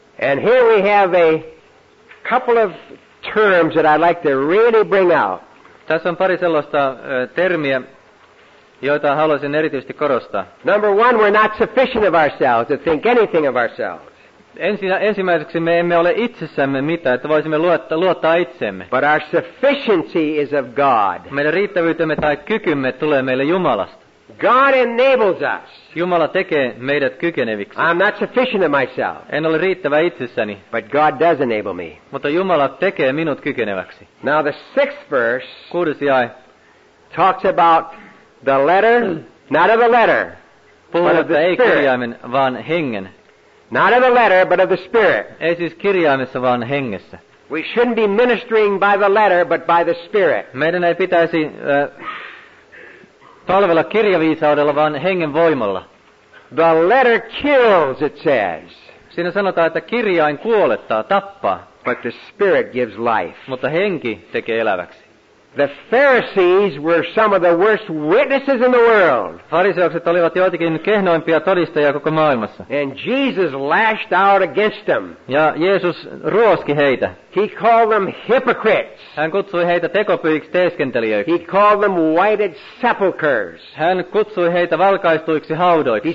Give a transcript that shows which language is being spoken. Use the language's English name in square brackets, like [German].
[English] And here we have a couple of terms that I'd like to really bring out. [Finnish] Tässä on pari sellaista termiä, joita haluaisin erityisesti korostaa. [English] Number one, we're not sufficient of ourselves to think anything of ourselves. [Finnish] Ensimmäiseksi me emme ole itsessämme mitään, että voisimme luottaa itsemme. [English] But our sufficiency is of God. [Finnish] Meidän riittävyytemme tai kykymme tulee meille Jumalasta. [English] God enables us. [Finnish] Jumala tekee meidät kykeneviksi. [English] I'm not sufficient of myself. [Finnish] En ole riittävä itsessäni. [English] But God does enable me. [Finnish] Mutta Jumala tekee minut kykeneväksi. [English] Now the sixth verse. [Finnish] Kuudes jae. [English] Talks about the letter, not of the letter. [Finnish] Puhutaan ei kirjaimen, vaan hengen. [English] Not of the letter, but of the Spirit. [Finnish] Ei siis kirjaimessa, vaan hengessä. [English] We shouldn't be ministering by the letter, but by the Spirit. [Finnish] Meidän ei pitäisi palvella kirjaviisaudella, vaan hengen voimalla. [English] The letter kills, it says. [Finnish] Siinä sanotaan, että kirjain kuolettaa, tappaa. [English] But the Spirit gives life. [Finnish] Mutta henki tekee eläväksi. [English] The Pharisees were some of the worst witnesses in the world. [Finnish] Fariseukset olivat joitakin kehnoimpia todistajia koko maailmassa. [English] And Jesus lashed out against them. [Finnish] Ja Jeesus ruoski heitä. [English] He called them hypocrites. [Finnish] Hän kutsui heitä tekopyhiksi teeskentelijöiksi. [English] He called them whited sepulchres. [Finnish] Hän kutsui heitä valkaistuiksi haudoiksi.